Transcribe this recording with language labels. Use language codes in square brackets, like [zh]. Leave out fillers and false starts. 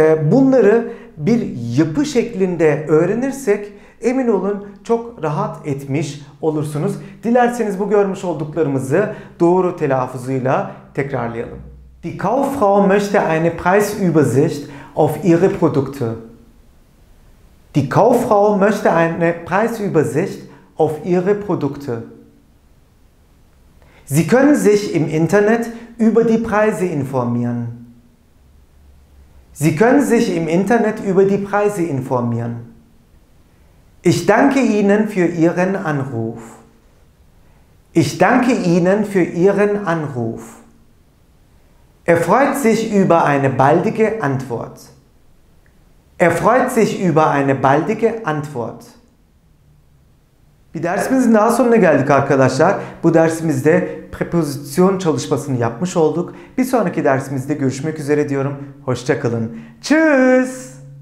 [tr] Bunları bir yapı şeklinde öğrenirsek emin olun çok rahat etmiş olursunuz. Dilerseniz bu görmüş olduklarımızı doğru telaffuzuyla tekrarlayalım. [de] Die Kauffrau möchte eine Preisübersicht auf ihre Produkte. Die Kauffrau möchte eine Preisübersicht auf ihre Produkte. Sie können sich im Internet über die Preise informieren. Sie können sich im Internet über die Preise informieren. Ich danke Ihnen für Ihren Anruf. Ich danke Ihnen für Ihren Anruf. Er freut sich über eine baldige Antwort. Er freut sich über eine baldige Antwort. [tr] Bir dersimizin daha sonuna geldik arkadaşlar. Bu dersimizde preposisyon çalışmasını yapmış olduk. Bir sonraki dersimizde görüşmek üzere diyorum. Hoşça kalın. Tschüss.